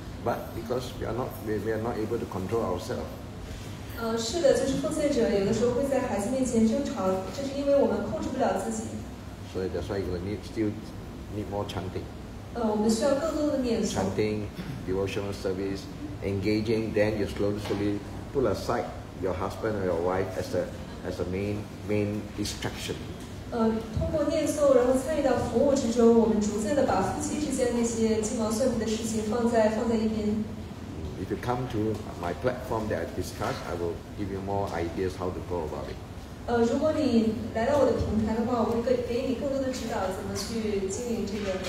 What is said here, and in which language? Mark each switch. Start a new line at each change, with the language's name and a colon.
English: But because we are not able to control ourselves.
Chinese: 是的，就是奉献者有的时候会在孩子面前争吵，这是因为我们控制不了自己。所以
English: that's why we still need more chanting.
Chinese: 我们需要更多的念诵。
English: Chanting, devotional service, engaging, then you slowly put aside your husband or your wife as a main distraction.
Chinese: 通过念诵，然后参与到服务之中，我们逐渐的把夫妻之间那些鸡毛蒜皮的事情放在一边。
English: If you come to my platform that I discuss, I will give you more ideas how to go about it.
Chinese: 如果你来到我的平台的话，我会给你更多的指导怎么去经营这个。